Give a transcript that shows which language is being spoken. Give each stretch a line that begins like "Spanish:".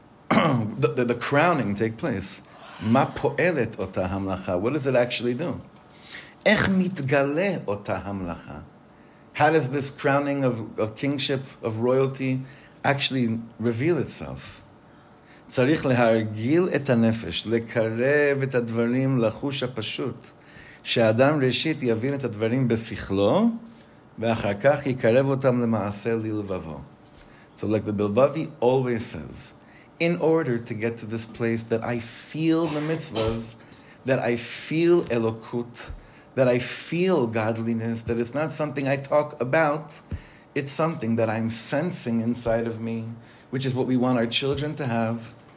English: the crowning take place.
Hebrew: Ma po'elet ota hamlacha.
English: What does it actually do?
Hebrew: Ech mitgale ota hamlacha.
English: How does this crowning of kingship, of royalty, actually reveal itself?
Hebrew: צריך להרגיל את הנפש, לקרב את הדברים לחוש הפשוט, שאדם ראשית יבין את הדברים בשכלו, ואחר כך יקרב אותם למעשה ללבבו.
English: So like the Bilvavi always says, in order to get to this place that I feel the mitzvahs, that I feel elokut, that I feel godliness, that it's not something I talk about, it's something that I'm sensing inside of me, which is what we want our children to have.